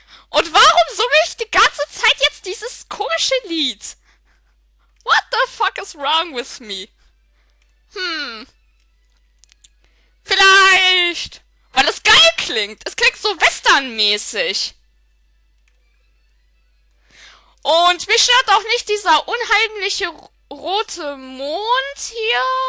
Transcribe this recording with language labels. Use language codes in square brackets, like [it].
[de] Und warum summe ich die ganze Zeit jetzt dieses komische Lied? [en] What the fuck is wrong with me? [de] Vielleicht, weil es geil klingt. Es klingt so westernmäßig. Und mich stört auch nicht dieser unheimliche rote Mond hier.